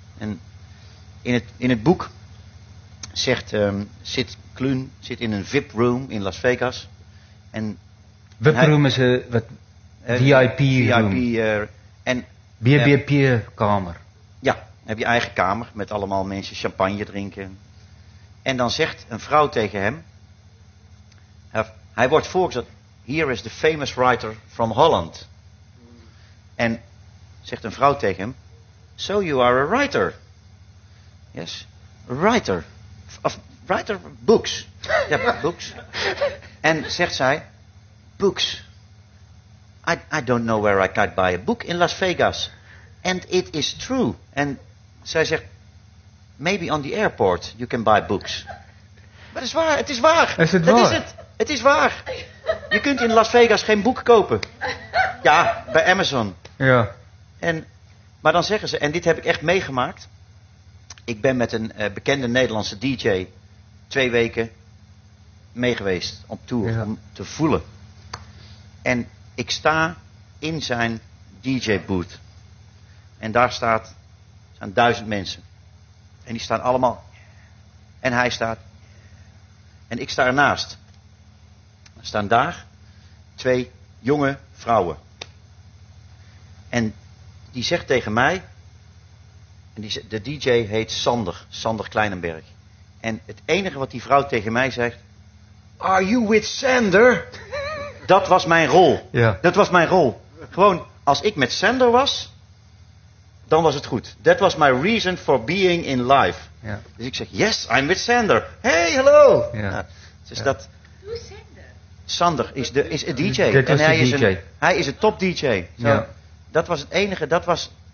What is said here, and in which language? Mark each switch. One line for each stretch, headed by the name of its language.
Dutch: En in het boek zegt zit Klun zit in een VIP room in Las Vegas. En VIP room is wat VIP room. BBP kamer. Ja, heb je eigen kamer met allemaal mensen champagne drinken. En dan zegt een vrouw tegen hem. Hij wordt voorgesteld.
English: Here is the famous writer from Holland.
Dutch: En zegt een vrouw tegen hem.
English: So you are a writer. Yes, writer. Of writer of books. Ja, books.
Dutch: En zegt zij.
English: Books. I don't know where I could buy a book in Las Vegas. And it is true.
Dutch: En zij zegt,
English: maybe on the airport you can buy books.
Dutch: Maar het is waar. Is het waar? Dat is het. Het is waar. Je kunt in Las Vegas geen boek kopen. Ja, bij Amazon. Ja. Maar dan zeggen ze, en dit heb ik echt meegemaakt. Ik ben met een bekende Nederlandse DJ 2 weken meegeweest op tour. Ja. Om te voelen. En ik sta in zijn DJ booth. En daar staan 1000 mensen. En die staan allemaal. En hij staat. En ik sta ernaast. Er staan daar 2 jonge vrouwen. En die zegt tegen mij. En de DJ heet Sander. Sander Kleinenberg. En het enige wat die vrouw tegen mij zegt.
English: Are you with Sander?
Dutch: Dat was mijn rol. Ja. Dat was mijn rol. Gewoon, als ik met Sander was. Dan was het goed.
English: That was my reason for being in life.
Dutch: Ja. Dus ik zeg,
English: yes, I'm with Sander. Hey, hello.
Dutch: Ja. Nou, dus dat.
English: Who's Sander?
Dutch: Sander is een DJ. En hij is DJ. Hij is een top DJ. So, ja. Dat was het enige. Dat was.